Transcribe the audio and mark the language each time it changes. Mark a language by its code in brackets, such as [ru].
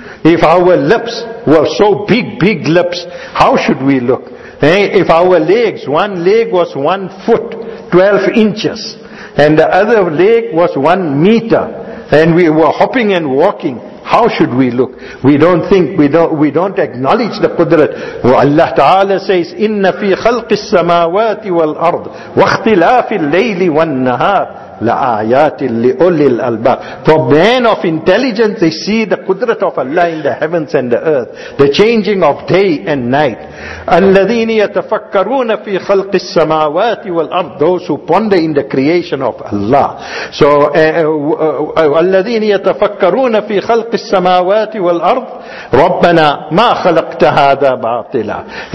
[en] If our lips were so big lips, how should we look? If our legs, one leg was 1 foot, 12 inches, and the other leg was 1 meter, and we were hopping and walking, how should we look? We don't acknowledge the qudrat. Allah Ta'ala says, [ar] إِنَّ فِي خَلْقِ السَّمَاوَاتِ وَالْأَرْضِ وَاخْتِلَافِ اللَّيْلِ وَالنَّهَارِ لَآيَاتٍ لِأُولِي الْأَلْبَابِ. [en] For men of intelligence, they see the qudrat of Allah in the heavens and the earth, the changing of day and night. [ar] الَّذِينَ يَتَفَكَّرُونَ فِي خَلْقِ السَّمَاوَاتِ وَالْأَرْضِ, [en] those who ponder in the creation of Allah. [ar] So, الَّذِينَ يَتَفَكَّرُونَ فِي خَلْقِ السَّمَاوَاتِ وَالْأَرْضِ رَبَّنَا مَا خَلَقْتَ هَذَا بَاطِلًا.